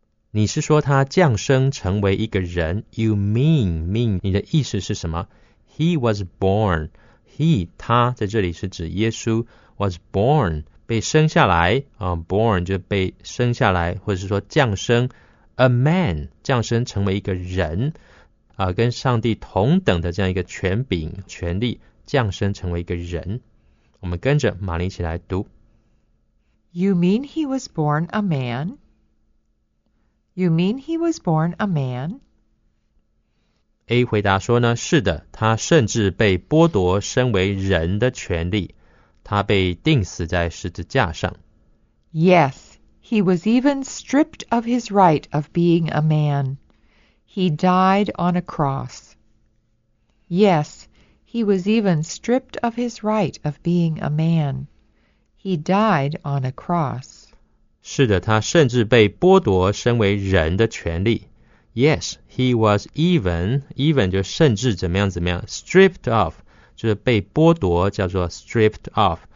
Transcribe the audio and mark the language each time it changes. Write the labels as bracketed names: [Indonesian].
[Chinese] 你是说他降生成为一个人？ [English] You mean, mean, [Chinese] 你的意思是什么？ [English] He was born, he, [Chinese] 他在这里是指耶稣 was born. 被生下来、born 就被生下来或者是说降生 [English] a man [Chinese] 降生成为一个人、跟上帝同等的这样一个权柄权力降生成为一个人我们跟着玛丽一起来读 [English] You mean he was born a man? You mean he was born a man? [Chinese] A 回答说呢是的他甚至被剥夺身为人的权利他被钉死在十字架上。 [English] Yes, he was even stripped of his right of being a man. He died on a cross. Yes, he was even stripped of his right of being a man. He died on a cross. [Chinese] 是的，他甚至被剥夺身为人的权利。 [English] Yes, he was even [Chinese] 就甚至怎么样怎么样 [English] stripped of. [Chinese] 就是被剥夺叫做 [English] stripped off